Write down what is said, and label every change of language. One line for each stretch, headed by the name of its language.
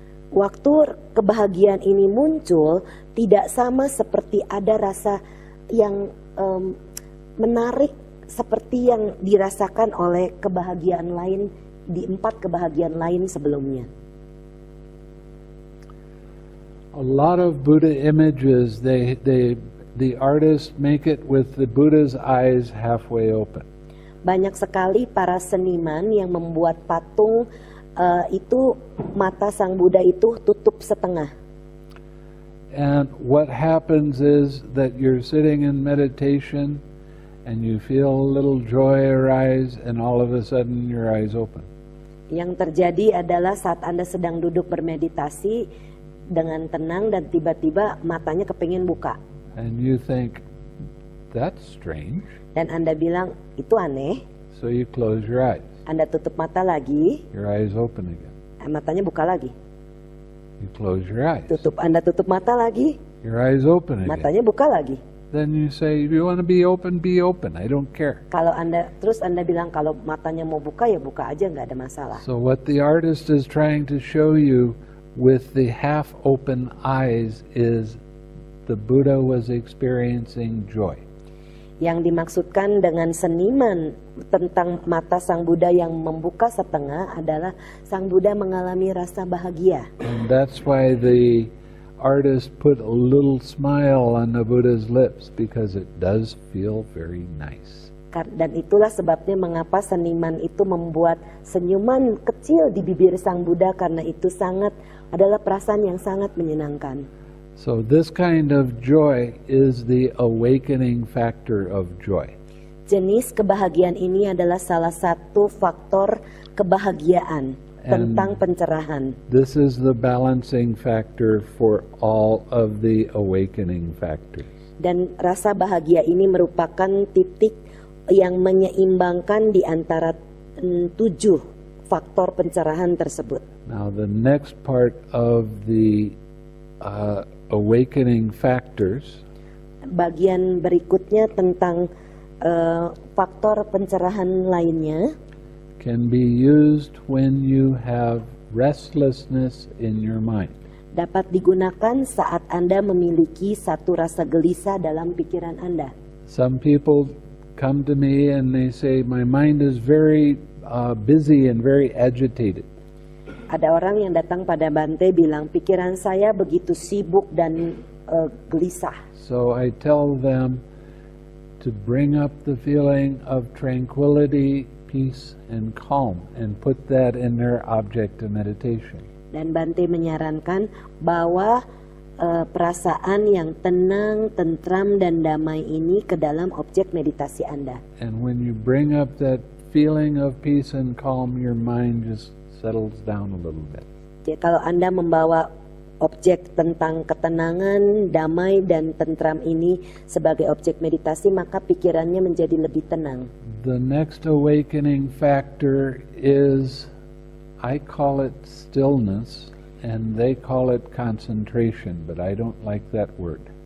Indonesian: Waktu kebahagiaan ini muncul tidak sama seperti ada rasa yang menarik seperti yang dirasakan oleh kebahagiaan lain di empat kebahagiaan lain sebelumnya.
English: A lot of Buddha images, the artists make it with the Buddha's eyes halfway open.
Indonesian: Banyak sekali para seniman yang membuat patung itu mata sang Buddha itu tutup setengah.
English: And what happens is that you're sitting in meditation and you feel a little joy arise and all of a sudden your eyes open.
Indonesian: Yang terjadi adalah saat Anda sedang duduk bermeditasi dengan tenang dan tiba-tiba matanya kepingin buka.
English: And you think, that's strange.
Indonesian: Dan Anda bilang, itu aneh.
English: So you close your eyes.
Indonesian: Anda tutup mata lagi.
English: Your eyes open again.
Indonesian: Matanya buka lagi.
English: You close your eyes.
Indonesian: Tutup, Anda tutup mata lagi.
English: Your eyes open again.
Indonesian: Matanya buka lagi.
English: Then you say, if you want to be open, be open. I don't care.
Indonesian: Kalau Anda terus Anda bilang kalau matanya mau buka ya buka aja, enggak ada masalah.
English: So what the artist is trying to show you with the half open eyes is the Buddha was experiencing joy.
Indonesian: Yang dimaksudkan dengan seniman tentang mata sang Buddha yang membuka setengah adalah sang Buddha mengalami rasa bahagia.
English: And that's why the artist put a little smile on the Buddha's lips because it does feel very nice.
Indonesian: Dan itulah sebabnya mengapa seniman itu membuat senyuman kecil di bibir sang Buddha, karena itu sangat adalah perasaan yang sangat menyenangkan.
English: So this kind of joy is the awakening factor of joy.
Indonesian: Jenis kebahagiaan ini adalah salah satu faktor kebahagiaan tentang pencerahan.
English: This is the balancing factor for all of the awakening factors.
Indonesian: Dan rasa bahagia ini merupakan titik yang menyeimbangkan di antara 7 faktor pencerahan tersebut.
English: Now the next part of the awakening factors.
Indonesian: Bagian berikutnya tentang faktor pencerahan lainnya.
English: Can be used when you have restlessness in your mind.
Indonesian: Dapat digunakan saat Anda memiliki satu rasa gelisah dalam pikiran Anda.
English: Some people come to me and they say my mind is very busy and very agitated.
Indonesian: Ada orang yang datang pada Bante bilang pikiran saya begitu sibuk dan gelisah.
English: So I tell them to bring up the feeling of tranquility, peace and calm and put that in their object of meditation.
Indonesian: Dan Bante menyarankan bahwa perasaan yang tenang, tentram dan damai ini ke dalam objek meditasi Anda.
English: And when you bring up that feeling of peace and calm, your mind just settles down a little bit.
Indonesian: Jadi kalau Anda membawa objek tentang ketenangan, damai dan tentram ini sebagai objek meditasi, maka pikirannya menjadi lebih tenang.
English: The next awakening factor is, I call it stillness. And they call it concentration, but I don't like that word.